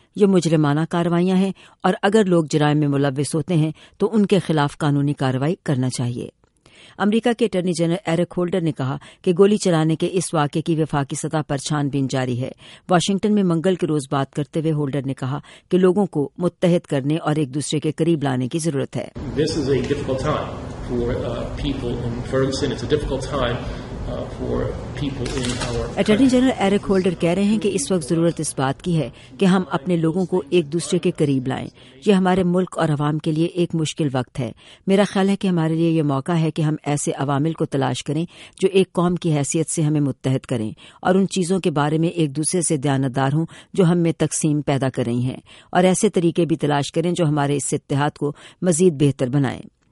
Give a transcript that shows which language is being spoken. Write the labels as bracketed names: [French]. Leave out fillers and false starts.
[Urdu] یہ مجرمانہ کاروائیاں ہیں اور اگر لوگ جرائم میں ملوث ہوتے ہیں تو ان کے خلاف قانونی کاروائی کرنا چاہیے. امریکہ کے اٹرنی جنرل ایرک ہولڈر نے کہا کہ گولی چلانے کے اس واقعے کی وفاقی سطح پر چھان بین جاری ہے. واشنگٹن میں منگل کے روز بات کرتے ہوئے ہولڈر نے کہا کہ لوگوں کو متحد کرنے اور ایک دوسرے کے قریب لانے کی ضرورت ہے. [English] This is a difficult time for people in Ferguson. It's a difficult time. [Urdu] Attorney general Eric holder کہہ رہے ہیں کہ اس وقت ضرورت اس بات کی ہے کہ ہم اپنے لوگوں کو ایک دوسرے کے قریب لائیں. یہ ہمارے ملک اور عوام کے لیے ایک مشکل وقت ہے. میرا خیال ہے کہ ہمارے لیے یہ موقع ہے کہ ہم ایسے عوامل کو تلاش کریں جو ایک قوم کی حیثیت سے ہمیں متحد کریں اور ان چیزوں کے بارے میں ایک دوسرے سے دیانتدار ہوں جو ہم میں تقسیم پیدا کر رہی ہیں، اور ایسے طریقے بھی تلاش کریں جو ہمارے اس اتحاد کو مزید بہتر بنائیں.